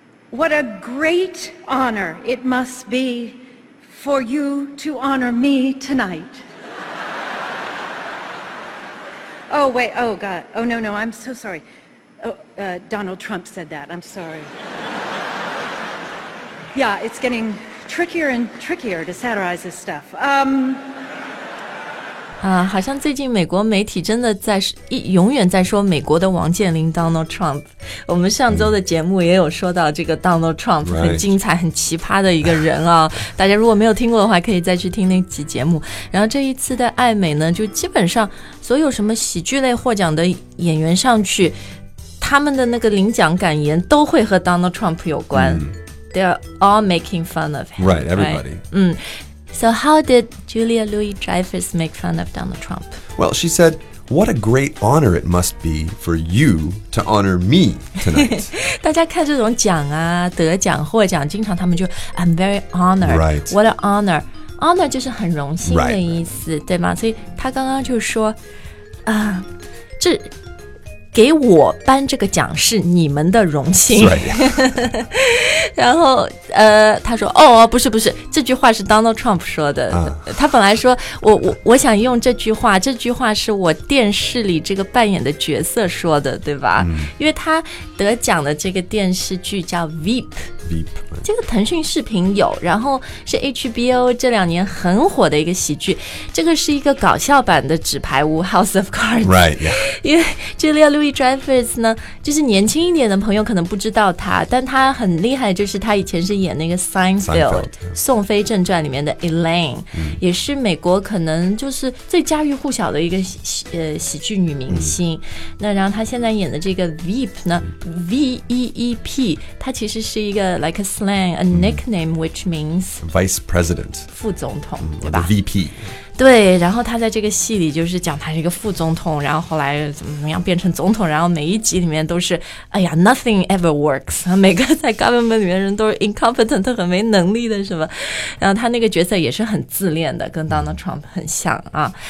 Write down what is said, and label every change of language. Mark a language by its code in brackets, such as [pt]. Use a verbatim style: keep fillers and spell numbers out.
[en] What a great honor it must be for you to honor me tonight. Oh, wait, oh, God. Oh, no, no, I'm so sorry. Oh, uh, Donald Trump said that. I'm sorry. Yeah, it's getting trickier and trickier to satirize this stuff. Um... [zh] 啊，好像最近美国媒体真的在一永远在说美国的王健林 Donald Trump。我们上周的节目也有说到这个 Donald Trump、 [en] Right. [zh] 很精彩、很奇葩的一个人啊、哦。大家如果没有听过的话，可以再去听那期节目。然后这一次的艾美呢，就基本上所有什么喜剧类获奖的演员上去。他们的那个领奖感言都会和 Donald Trump 有关。 Mm. [en] They're all making fun of him. Right, everybody. Right? 嗯 So how did Julia Louis-Dreyfus make fun of Donald Trump? Well, she said, what a great honor it must be for you to honor me tonight. [zh] 大家看这种奖啊，得奖获奖，经常他们就 [en] I'm very honored. Right. What an honor. [zh] Honor 就是很荣幸的意思， right. 对吗？所以他刚刚就说，啊，这。给我颁这个奖是你们的荣幸。 [en] Right. [zh] 然后呃，他说哦，不是不是，这句话是 Donald Trump 说的。 Uh. 他本来说我我我想用这句话，这句话是我电视里这个扮演的角色说的，对吧？ Mm. 因为他得奖的这个电视剧叫 Veep。 [en] Veep. [zh] 这个腾讯视频有，然后是 H B O 这两年很火的一个喜剧。这个是一个搞笑版的纸牌屋 House of Cards。 [en] Right. Yeah. [zh] 因为这个Louis-Dreyfus 呢，就是年轻一点的朋友可能不知道他，但他很厉害，就是他以前是演那个 Seinfeld 宋飞正传里面的 Elaine、嗯、也是美国可能就是最家喻户晓的一个 喜,、呃、喜剧女明星、嗯、那然后他现在演的这个 Veep 呢、嗯、V E E P 它其实是一个 [en] like a slang a nickname、 [zh] 嗯、 [en] which means Vice President [zh] 副总统、嗯、对吧 [en] V P [zh] 对，然后他在这个戏里就是讲他是一个副总统，然后后来怎么怎么样变成总统，然后每一集里面都是，哎呀 ， [en] nothing ever works， [zh] 每个在 government 里面人都是 incompetent， 很没能力的什么，然后他那个角色也是很自恋的，跟 Donald Trump 很像啊。